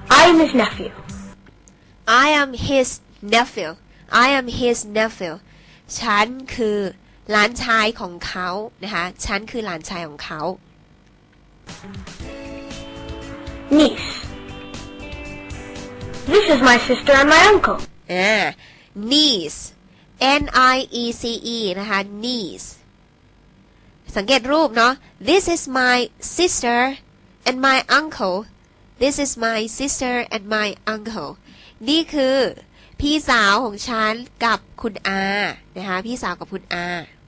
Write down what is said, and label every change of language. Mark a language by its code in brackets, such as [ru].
[en] I am his nephew I am his nephew I am his nephew [th] ฉันคือหลานชายของเขานะคะฉันคือหลานชายของเขา [en] niece This is my sister and my uncle [th] niece N I E C E นะคะ niece สังเกตรูปเนาะ [en] This is my sister and my uncle [th] This is my sister and my uncle นี่คือพี่สาวของฉันกับคุณอานะคะพี่สาวกับคุณอาม